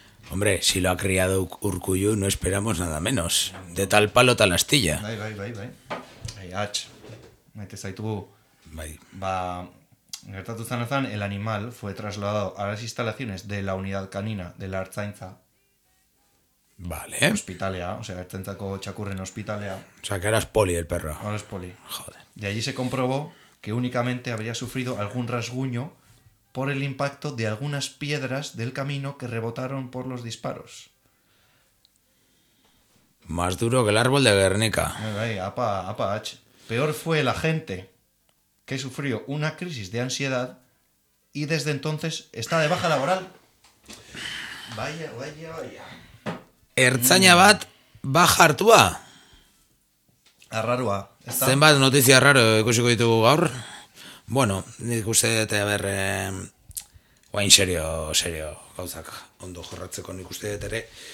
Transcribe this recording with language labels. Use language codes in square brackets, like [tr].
[es] Hombre, si lo ha criado Urcuyu, no esperamos nada menos. De tal palo, tal astilla. [eu] Bai. Hey, H, mete zaitu. Bai. [es] Va, [eu] gertatu zanazan, [es] el animal fue trasladado a las instalaciones de la unidad canina de la Ertzaintza. Vale. [eu] Hospitalea, o sea, Ertzaintzako txakurren hospitalea. [es] O sea, que era poli el perro. Ahora es poli. Joder. De allí se comprobó que únicamente habría sufrido algún rasguño por el impacto de algunas piedras del camino que rebotaron por los disparos. Más duro que el árbol de Guernica. Ay, apa, apa, H. Peor fue el agente, que sufrió una crisis de ansiedad y desde entonces está de baja laboral. Vaya. [eu] Ertzaina bat baja hartua. Arrarua. Está. Zenbat noticia arraro ikusiko ditugu gaur. Bueno, nik uste dut, a ber, guain serio, gauzak ondo jorratzeko nik uste dut ere.